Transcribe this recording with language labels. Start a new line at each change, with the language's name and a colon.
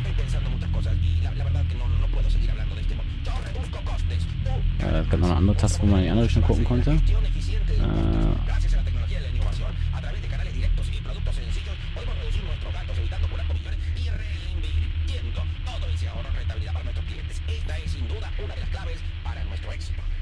Spanish: pensando muchas cosas y la verdad que no puedo seguir hablando de este modo. Yo reduzco costes.
German: Es gab noch eine andere Taste, wo man in die andere Richtung gucken konnte.
Spanish: Gracias a la tecnología de la innovación, a través de canales directos y productos sencillos, podemos reducir nuestros gastos evitando por acto millones y reinvirtiendo todo ese ahorro en rentabilidad para nuestros clientes. Esta es sin duda una de las claves para nuestro éxito.